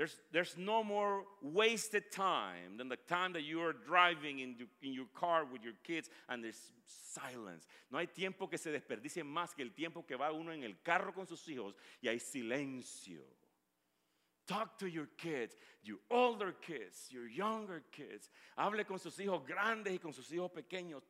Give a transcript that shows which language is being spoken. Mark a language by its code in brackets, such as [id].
[en] There's no more wasted time than the time that you are driving in your car with your kids and there's silence. [es] No hay tiempo que se desperdicie más que el tiempo que va uno en el carro con sus hijos y hay silencio. [en] Talk to your kids, your older kids, your younger kids. [es] Hable con sus hijos grandes y con sus hijos pequeños.